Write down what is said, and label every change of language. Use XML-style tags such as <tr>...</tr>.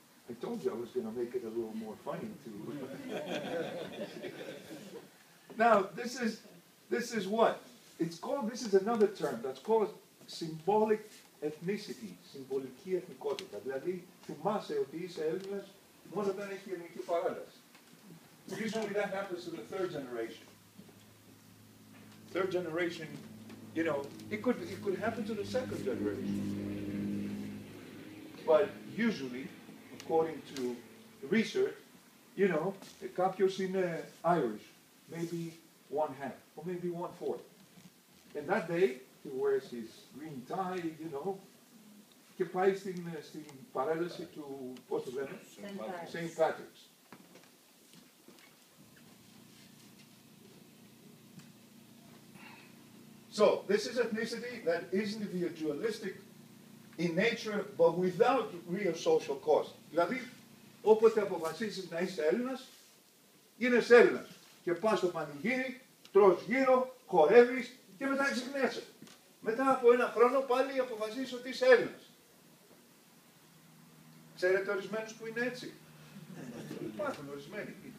<en>I told you I was going to make it a little more funny too. Now, this is what? This is another term that's called symbolic ethnicity.</en> <el>Symbolική εθνικότητα. Δηλαδή, θυμάσαι ότι είσαι Έλληνας μόνο όταν έχει ελληνική παράδοση.</el> <en>Usually that happens to the third generation. Third generation, you know, it could happen to the second generation. But usually, according to research, you know,</en> <el>κάποιος είναι</el> <en>Irish, maybe one half, or maybe one fourth. And that day, he wears his green tie, you know,</en> <el>και πάει στην παρέλαση του, πώς το λέμε,</el> <en>St. Patrick's. So, this is ethnicity that is individualistic in nature, but without real social cause.</en> <el>Δηλαδή, όποτε αποφασίσεις να είσαι Έλληνας, γίνεσαι Έλληνας. Και πας στο πανηγύρι, τρως γύρω, χορεύεις και μετά ξεχνιέσαι. Μετά από ένα χρόνο πάλι αποφασίσεις ότι είσαι Έλληνας. Ξέρετε ορισμένους που είναι έτσι. Υπάρχουν ορισμένοι.</el>